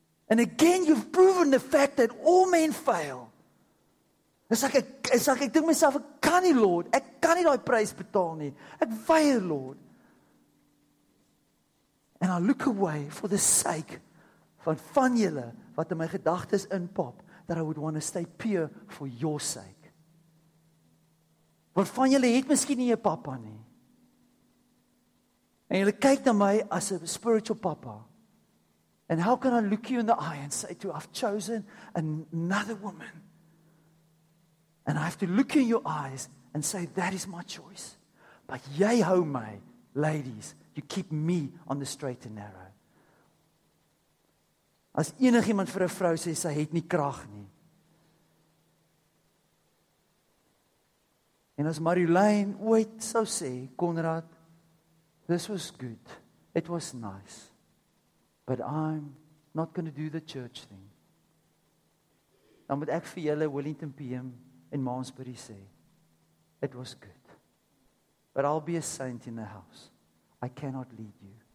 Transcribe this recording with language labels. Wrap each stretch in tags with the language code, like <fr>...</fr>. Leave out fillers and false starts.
<en>and again you've proven the fact that all men fail, it's like</en> <af>ek dink myself, ek kan nie Lord, ek kan nie die prys betaal nie, ek weier Lord,</af> <en>and I look away for the sake</en> <af>van julle, wat in my gedagtes inpop,</af> <en>that I would want to stay pure for your sake.</en> <af>Want van julle het miskien nie 'n papa nie. En julle kyk na my as 'n spiritual papa.</af> <en>And how can I look you in the eye and say to you, I've chosen another woman. And I have to look you in your eyes and say, that is my choice. But</en> <af>jy hou my,</af> <en>ladies, you keep me on the straight and narrow.</en> <af>As enig iemand vir 'n vrou sê, sy het nie krag nie. En as Marjolein ooit sou sê,</af> <en>Konrad, this was good, it was nice, but I'm not going to do the church thing.</en> <af>Dan moet ek vir julle Wellington PM in Malmesbury sê,</af> <en>it was good, but I'll be a saint in the house. I cannot lead you.</en>